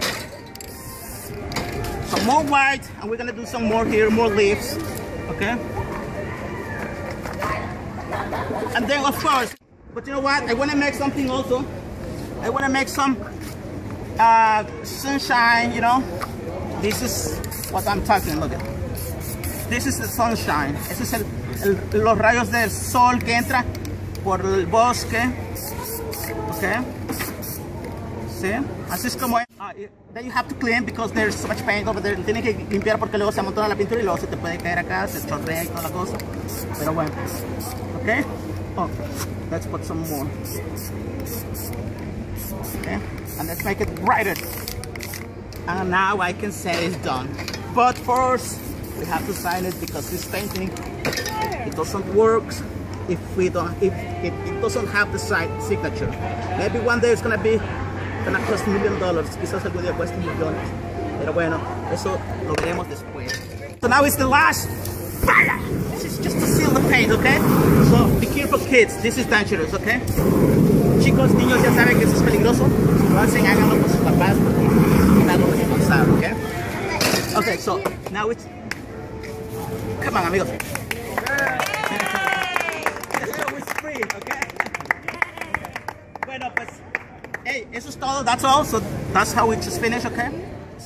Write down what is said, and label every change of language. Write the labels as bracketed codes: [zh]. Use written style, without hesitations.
[en] Some more white, and we're gonna do some more here, more leaves. Okay, and then of course, but you know what, I want to make something also. I want to make some sunshine, you know. This is what I'm talking about. This is the sunshine. [es] Eso es los rayos del sol que entra por el bosque. [en] Okay. See? [es] Así es como. [en] Then you have to clean because there's so much paint over there. [es] Tienes que limpiar porque luego se amontona la pintura y luego se te puede caer acá, se chorrea y toda la cosa. Pero bueno. [en] Okay. Oh, let's put some more. Okay. And let's make it brighter. And now I can say it's done. But first. We have to sign it because this painting, it doesn't work if we don't, if it doesn't have the signature. Maybe one day it's gonna be, gonna cost $1,000,000. [es] Quizás algún día cueste $1,000,000. Pero bueno, eso lo veremos después. [en] So now it's the last fire. This is just to seal the paint, okay? So be careful, kids. This is dangerous, okay? [es] Chicos, niños, ya saben que eso es peligroso. No hacen, háganlo con sus papás porque es algo que no sabe, okay? [en] Okay, so now it's... Come on, amigos. It's free, okay? [es] Bueno, pues, hey, eso es todo. [en] That's all. So that's how we just finish, okay?